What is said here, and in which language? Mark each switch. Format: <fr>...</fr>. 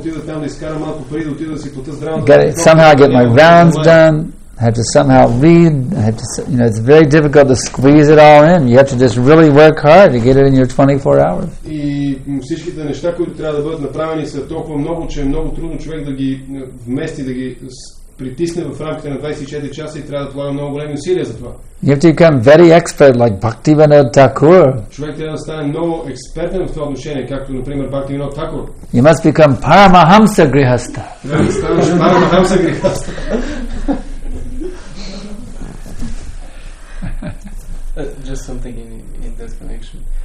<en>Somehow get my rounds done, I have to somehow read, I have to, you know, it's very difficult to squeeze it all in. You have to just really work hard to get it in your 24 hours.</en> <bg>Всичките неща, които трябва да бъдат направени, са толкова много, че е много трудно човек да ги вмести, да ги притисне в рамките на 24 часа и трябва да полага много големи усилия за това.</bg> <en>You have to become very expert like Bhaktivinoda Thakur.</en> <bg>Човек трябва да стане много експертен в това отношение, както например Bhaktivinoda Thakur.</bg> <en>You must become Paramahamsa Grihastha.</en> <bg>Трябва да станеш Paramahamsa Grihastha.</bg> <en>Just something in that connection.</en>